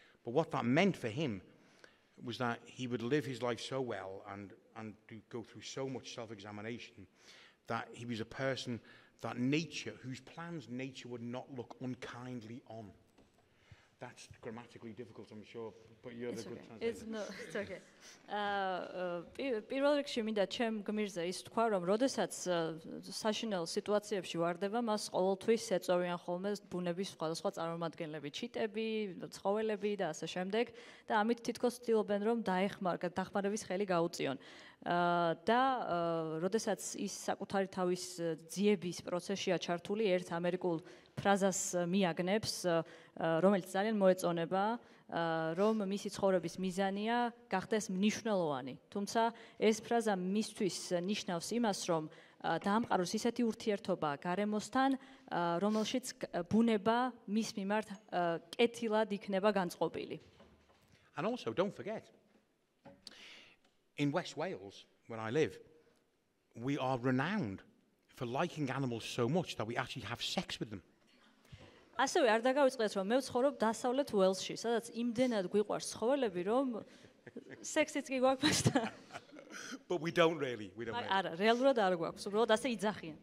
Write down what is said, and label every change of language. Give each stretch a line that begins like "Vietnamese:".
English: But what that meant for him was that he would live his life so well and do, go through so much self-examination that he was a person that nature, whose plans nature would not look unkindly on. That's grammatically difficult, I'm sure, but you're it's the okay. good translator. It's, no, it's okay.
Georgian: პირველ რიგში მინდა ჩემ გმირზე ის თქვა, რომ როდესაც საშინელ სიტუაციებში ვარდება, მას ყოველთვის ეწოვიან ხოლმე ბუნების სხვადასხვა წარმომადგენლები, ჩიტები, ცხოველები და ასე შემდეგ, და ამით თითქოს ცდილობენ, რომ დაეხმარგათ, დახმარების ხელი გაუწიონ. და როდესაც ის საკუთარი თავის ძიების პროცესშია ჩართული, ერთ ამერიკულ ფრაზას მიაგნებს, რომელიც ძალიან მოეწონება, რომ მისი ცხოვრების მიზანია გახდეს მნიშვნელოვანი. თუმცა ეს ფრაზა მისთვის ნიშნავს იმას, რომ დაამყაროს ისეთი ურთიერთობა გარემოსთან, რომელშიც ბუნება მის მიმართ კეთილად იქნება განწყობილი.
English: And also, don't forget, in West Wales, where I live, we are renowned for liking animals so much that we actually have sex with them.
Georgian: ასევე არ დაგავიწყდეთ, რომ მე ვცხოვრობ დასავლეთ უელსში, სადაც იმდენად გვიყვარს ცხოველები, რომ სექსიც კი გვაქვს და.
English: But we don't really. We don't.
Georgian: არა, რეალურად არ გვაქვს, უბრალოდ ასე იძახიან.